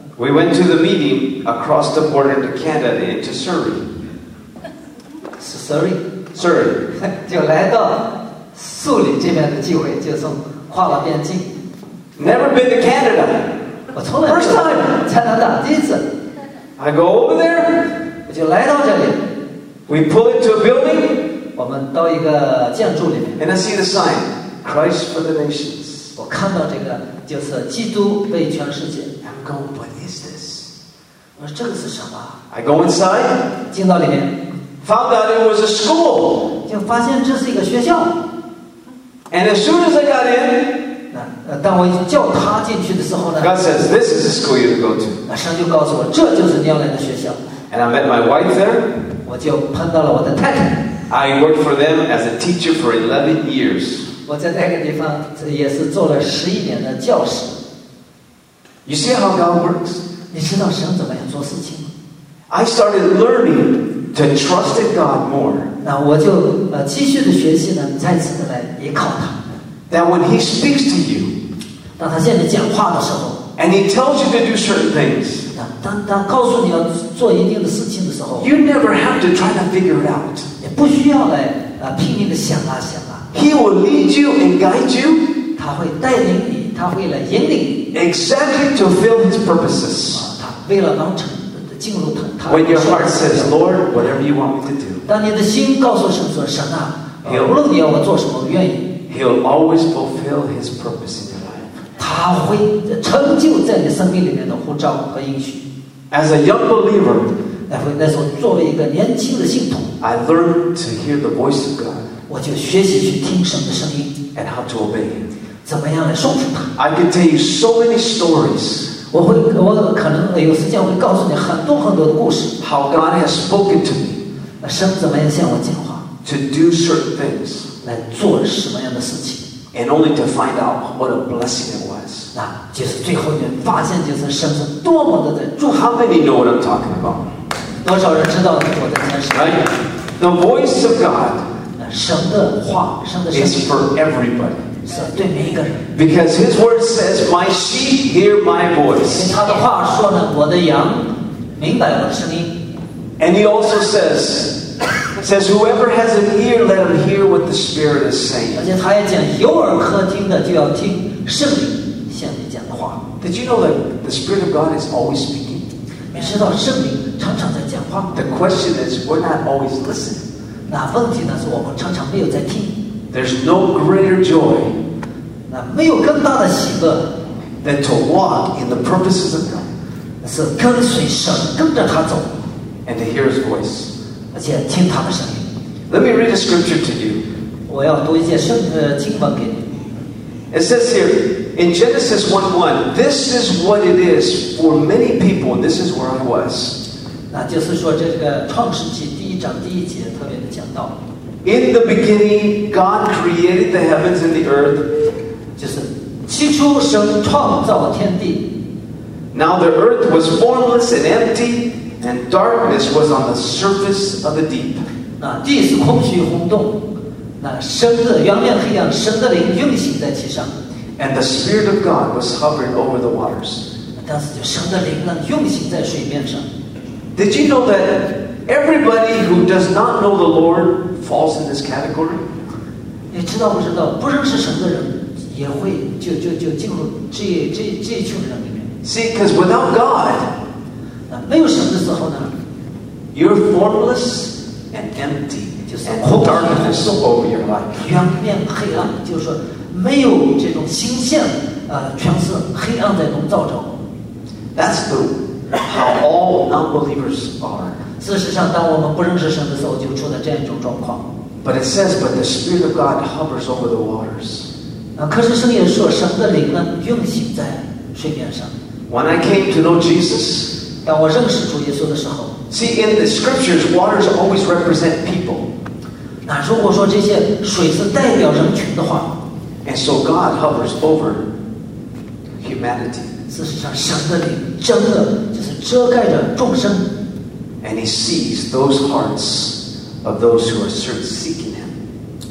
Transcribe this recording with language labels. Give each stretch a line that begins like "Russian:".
English: We went to the meeting across the border into Canada into Surrey. Surrey. Surrey.
Chinese: 就来到苏里这边的机会，就从跨了边境。
English: Never been to Canada.
Chinese: 我从来。
English: First time.
Chinese: 加拿大第一次。
English: I go over there.
Chinese: 我就来到这里。
English: We pull into a building.
Chinese: 我们到一个建筑里面。
English: And I see the sign, Christ for the nations.
Chinese: 我看到这个就是基督为全世界。
English: Go, what is this?
Chinese: 我说这个是什么？
English: I go inside.
Chinese: 进到里面。
English: Found out it was a school.
Chinese: 就发现这是一个学校。
English: And as soon as I got in,
Chinese: 当我叫他进去的时候呢
English: ，God says this is the school you go to.
Chinese: 那神就告诉我这就是你要来的学校。
English: And I met my wife there.
Chinese: 我就碰到了我的太太。
English: I worked for them as a teacher for 11 years.
Chinese: 我在那个地方也是做了11年的教师。
English: You see how God works.
Chinese: 你知道神怎么样做事情吗
English: ？I started learning to trust in God more.
Chinese: 那我就继续的学习呢，再次的来依靠他。
English: That when He speaks to you,
Chinese: 当他现在讲话的时候
English: ，and He tells you to do certain things,
Chinese: 当他告诉你要做一定的事情的时候
English: ，you never have to try to figure it out.
Chinese: 也不需要来拼命的想啊想啊。
English: He will lead you and guide you.
Chinese: 他会带领你。他为了引领
English: exactly to fulfill his purposes.
Chinese: 他为了能成进入他。
English: When your heart says, "Lord, whatever you want me to do,"
Chinese: 当你的心告诉神说，神啊，无论你要我做什么，我愿意。
English: He'll always fulfill his purpose in your life.
Chinese: 他会成就在你生命里面的呼召和应许。
English: As a young believer,
Chinese: 那时候作为一个年轻的信徒
English: ，I learned to hear the voice of God.
Chinese: 我就学习去听神的声音
English: ，and how to obey Him.
Chinese: 怎么样来顺服他
English: ？I can tell you so many stories.
Chinese: 我可能有时间会告诉你很多很多的故事。
English: How God has spoken to me.
Chinese: 神怎么样向我讲话
English: ？To do certain things.
Chinese: 来做什么样的事情
English: ？And only to find out what a blessing it was.
Chinese: 那就是最后你发现就是神是多么的在祝福。
English: How many know what I'm talking about?
Chinese: 多少人知道我在讲什么
English: ？Right. The voice of God.
Chinese: 神的话，神的声音
English: is for everybody.
Chinese: 对每一个人
English: Because his word says, "My sheep hear my voice."
Chinese: 他的话说呢，我的羊明白我的声音。
English: And he also says, "Whoever has an ear, let him hear what the Spirit is saying."
Chinese: 而且他也讲，有耳可听的就要听圣灵向你讲的话。
English: Did you know that the Spirit of God is always speaking?
Chinese: 你知道圣灵常常在讲话。
English: The question is, we're not always listening.
Chinese: 那问题呢，是我们常常没有在听。
English: There's no greater joy.
Chinese: 那没有更大的喜乐
English: than to walk in the purposes of God.
Chinese: 是跟随神，跟着他走
English: and to hear His voice.
Chinese: 而且听他的声音
English: Let me read a scripture to you.
Chinese: 我要读一些经文给你
English: It says here in Genesis 1:1. This is what it is for many people. This is where I was.
Chinese: 那就是说这个创世纪第一章第一节特别的讲到。
English: In the beginning, God created the heavens and the earth.
Chinese: 就是起初神创造天地。
English: Now the earth was formless and empty, and darkness was on the surface of the deep.
Chinese: 那地是空虚空洞，那神的原面黑暗，神的灵运行在其上。
English: And the Spirit of God was hovering over the waters.
Chinese: 当时就神的灵呢运行在水面上。
English: Did you know that Everybody who does not know the Lord falls in this category.
Chinese: 你知道不知道？不认识神的人也会就进入这一群人里面。
English: See, because without God,
Chinese: 没有神的时候呢
English: ，you're formless and empty.
Chinese: 就是空荡荡的生活无聊。全面黑暗，就是说没有这种新鲜，全是黑暗在笼罩着。
English: That's true. How all non-believers are.
Chinese: 事实上，当我们不认识神的时候，就出了这样一种状况。
English: But it says, but the Spirit of God hovers over the waters.
Chinese: 可是圣经说，神的灵呢，运行在水面上。
English: When I came to know Jesus,
Chinese: 当我认识主耶稣的时候
English: ，See in the scriptures, waters always represent people.
Chinese: 那如果说这些水是代表人群的话
English: ，And so God hovers over humanity.
Chinese: 事实上，神的灵真的就是遮盖着众生。
English: And He sees those hearts. Of those who are seeking him,